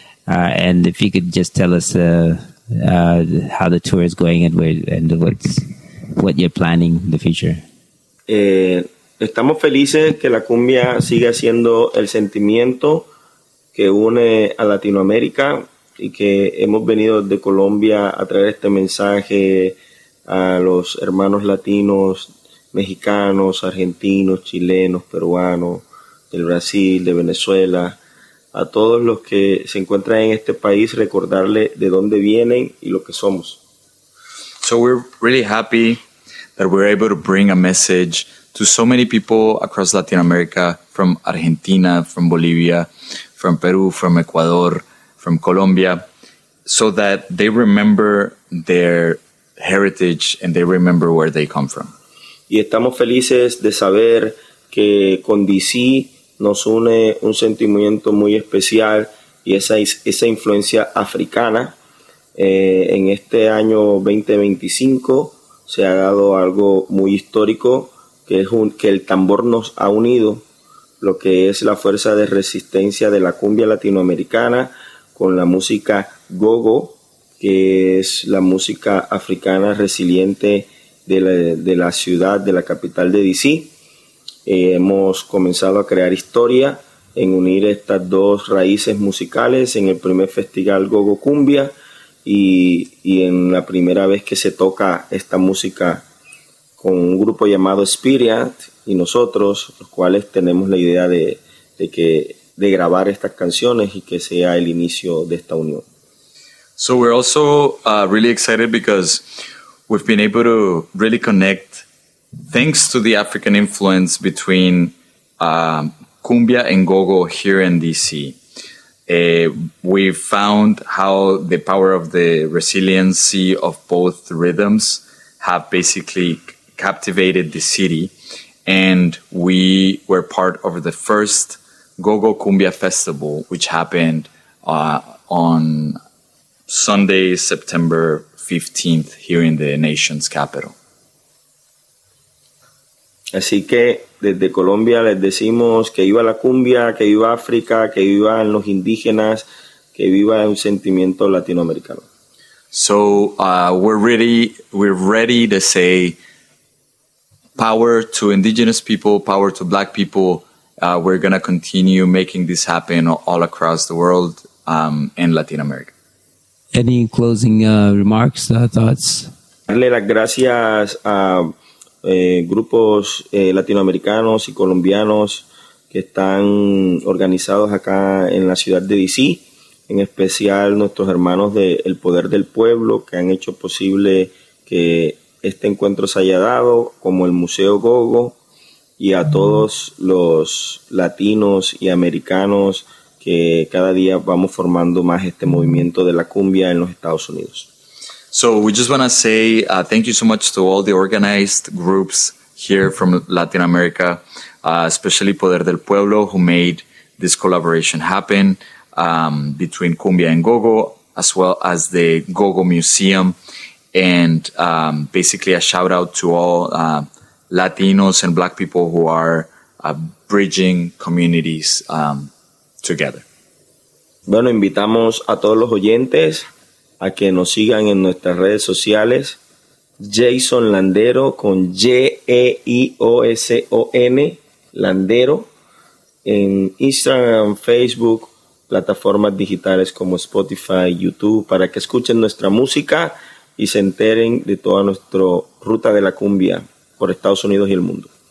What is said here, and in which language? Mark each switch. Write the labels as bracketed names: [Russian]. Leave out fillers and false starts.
[English] And if you could just tell us how the tour is going and where and what you're planning in the future. [Spanish] Estamos felices que la cumbia siga siendo el sentimiento que une a Latinoamérica y que hemos venido de Colombia a traer este mensaje a los hermanos latinos, mexicanos, argentinos, chilenos, peruanos, del Brasil, de Venezuela, a todos los que se encuentran en este país, recordarle de dónde vienen y lo que somos. [English] So we're really happy that we're able to bring a message to so many people across Latin America, from Argentina, from Bolivia, from Peru, from Ecuador, from Colombia, so that they remember their heritage and they remember where they come from. [Spanish] Y estamos felices de saber que con DC nos une un sentimiento muy especial y esa influencia africana. En este año 2025 se ha dado algo muy histórico, que el tambor nos ha unido, lo que es la fuerza de resistencia de la cumbia latinoamericana con la música go-go, que es la música africana resiliente de la ciudad, de la capital de DC. Hemos comenzado a crear historia en unir estas dos raíces musicales en el primer festival Gogo Cumbia y en la primera vez que se toca esta música con un grupo llamado Spirit y nosotros, los cuales tenemos la idea de grabar estas canciones y que sea el inicio de esta unión. [English] So we're also really excited because we've been able to really connect, thanks to the African influence, between cumbia and go-go here in DC. We found how the power of the resiliency of both rhythms have basically captivated the city. And we were part of the first go-go cumbia festival, which happened on Sunday, September 15th, here in the nation's capital. [Spanish] Así que desde Colombia les decimos que viva la cumbia, que viva África, que vivan los indígenas, que viva un sentimiento latinoamericano. [English] So we're ready to say power to indigenous people, power to black people. We're going to continue making this happen all across the world and Latin America. Any closing remarks, thoughts? [Spanish] Darle las gracias a grupos latinoamericanos y colombianos que están organizados acá en la ciudad de DC, en especial nuestros hermanos de El Poder del Pueblo, que han hecho posible que este encuentro se haya dado, como el Museo Gogo, y a todos los latinos y americanos que cada día vamos formando más este movimiento de la cumbia en los Estados Unidos. [English] So we just want to say thank you so much to all the organized groups here from Latin America, especially Poder del Pueblo, who made this collaboration happen between cumbia and go-go, as well as the Go-Go Museum. And basically a shout out to all Latinos and black people who are bridging communities together. [Spanish] Bueno, invitamos a todos los oyentes a que nos sigan en nuestras redes sociales, Jason Landero, con J-E-I-O-S-O-N, Landero, en Instagram, Facebook, plataformas digitales como Spotify, YouTube, para que escuchen nuestra música y se enteren de toda nuestra ruta de la cumbia por Estados Unidos y el mundo.